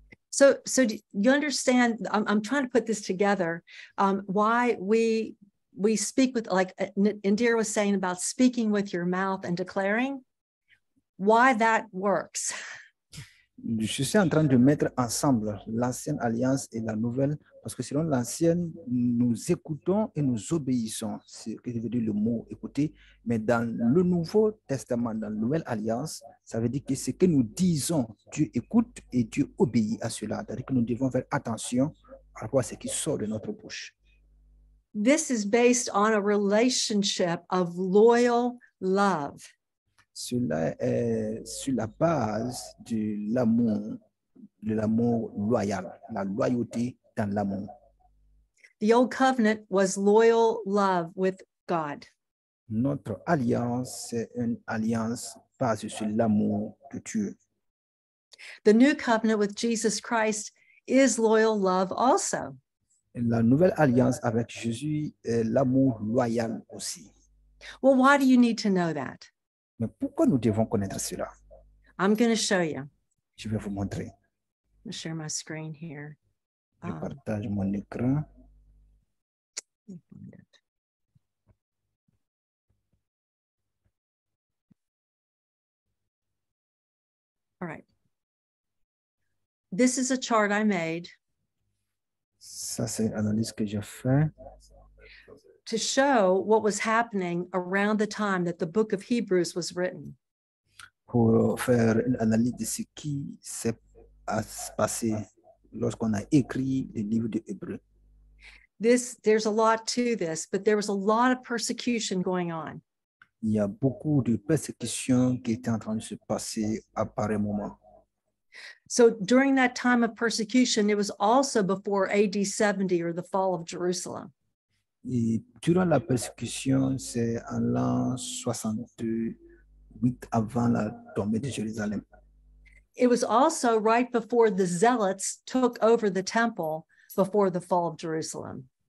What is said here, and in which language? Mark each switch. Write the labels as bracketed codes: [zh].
[en] So you understand, I'm trying to put this together, why we speak with, like Indira was saying about speaking with your mouth and declaring, why that works. [fr] Je suis en train de mettre ensemble l'ancienne alliance et la nouvelle, parce que selon l'ancienne, nous écoutons et nous obéissons, c'est ce que veut dire le mot écouter, mais dans le Nouveau Testament, dans la nouvelle alliance, ça veut dire que ce que nous disons, Dieu écoute et Dieu obéit à cela, c'est-à-dire que nous devons faire attention à ce qui sort de notre bouche. [en] This is based on a relationship of loyal love. [fr] Cela est sur la base de l'amour loyal, la loyauté dans l'amour. [en] The old covenant was loyal love with God. [fr] Notre alliance est une alliance basée sur l'amour de Dieu. [en] The new covenant with Jesus Christ is loyal love also. [fr] La nouvelle alliance avec Jésus est l'amour loyal aussi. [en] Well, why do you need to know that? [fr] Mais pourquoi nous devons connaître cela? [en] I'm going to show you. [fr] Je vais vous montrer. [en] I'm going to share my screen here. [fr] Je partage mon écran. [en] All right. This is a chart I made. [fr] Ça, c'est l'analyse que j'ai fait. [en] To show what was happening around the time that the book of Hebrews was written. [fr] Pour faire une analyse de ce qui s'est passé lorsqu'on a écrit le livre de Hébreux. [en] There's a lot to this, but there was a lot of persecution going on. [fr] Il y a beaucoup de persécution qui était en train de se passer à pareil moment. [en] So during that time of persecution, it was also before AD 70 or the fall of Jerusalem. [fr] Et durant la persécution, c'est en l'an 68 avant la tombée de Jérusalem. [en] It was also right before the zealots took over the temple before the fall of Jerusalem.